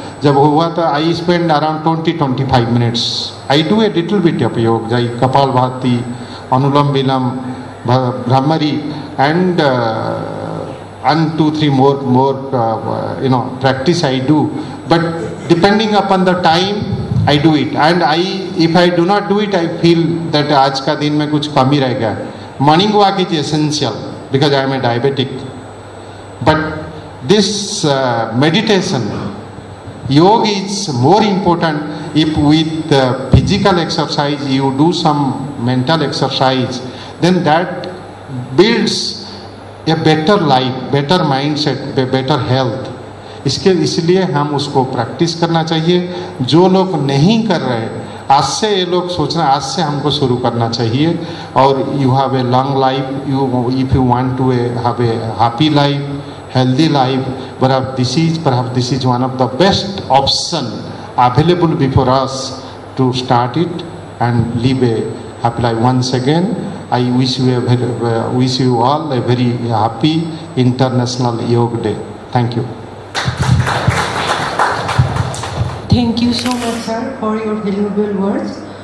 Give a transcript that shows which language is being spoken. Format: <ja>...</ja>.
<en>जब हुआ तो I spend around 20-25 minutes. I do a little bit of yoga, जाई kapalbhati, anulom vilom, bhramari and two three more you know practice I do, but depending upon the time I do it. And I, if I do not do it, I feel that</en> <hi>आज का दिन में कुछ कमी रह गया।</hi> <en>Morning walk is essential because I am a diabetic, but this meditation, yoga is more important. If with physical exercise you do some mental exercise, then that builds a better life, better mindset, better health.</en> <hi>इसके इसलिए हम उसको practice करना चाहिए। जो लोग नहीं कर रहे आज से, ये लोग सोचना आज से हमको शुरू करना चाहिए।</hi> <en>और you have a long life, you if you want to have a happy life, healthy life, this is one of the best option available before us to start it and live a happy life. Once again I wish you all a very happy International Yog Day. Thank you. Thank you so much, sir, for your valuable words.</en>